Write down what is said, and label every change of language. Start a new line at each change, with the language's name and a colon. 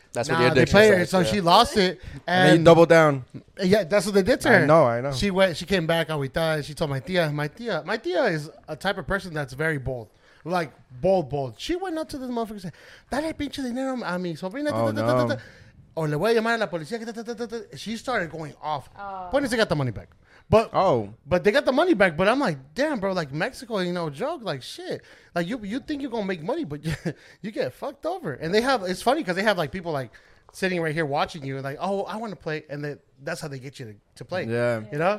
English: That's what the addiction they play says. So she lost it. And then you doubled down. Yeah, that's what they did to her. I know. She went. She came back. She told my tia. My tia is a type of person that's very bold. Like, bold. She went up to this motherfucker and said,
Spanish: dale pinche dinero a mi sobrina.
English: Oh, no. Or
Spanish: le voy a llamar a la policía.
English: She started going off. Point is, they got the money back. But they got the money back. But I'm like, damn, bro, like Mexico ain't no joke. Like, shit. Like, you think you're going to make money, but you get fucked over. And they have, it's funny because they have like people like sitting right here watching you. Like, oh, I want to play. And that's how they get you to play. Yeah. You know?